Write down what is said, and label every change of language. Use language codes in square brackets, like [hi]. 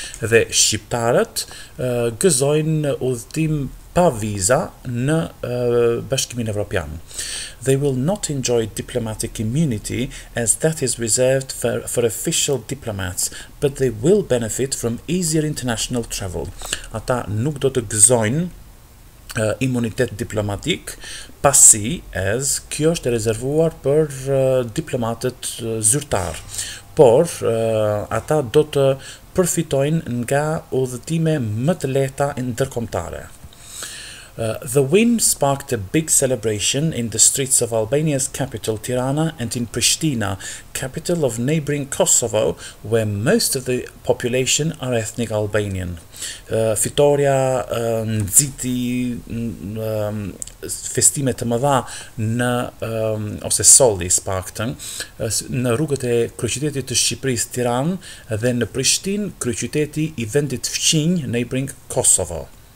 [sq] Dhe shqiptarët gëzojnë udhëtim pa viza në Bashkimin Evropian. [en] They will not enjoy diplomatic immunity, as that is reserved for official diplomats, but they will benefit from easier international travel. [sq] Ata nuk do të gëzojnë imunitet diplomatik, pasi, as, kjo është rezervuar për diplomatët zyrtar, por ata do të përfitojnë nga udhëtime më të lehta ndërkombëtare. [en] The win sparked a big celebration in the streets of Albania's capital, Tirana, and in Pristina, capital of neighboring Kosovo, where most of the population are ethnic Albanian. [sq] Fitoria nxiti festime të mëdha në ose solli spaktën në rrugët e kryeqytetit të Shqipërisë, Tiranë, dhe në Prishtinë, kryeqyteti i vendit fqinj, [en] neighboring Kosovo.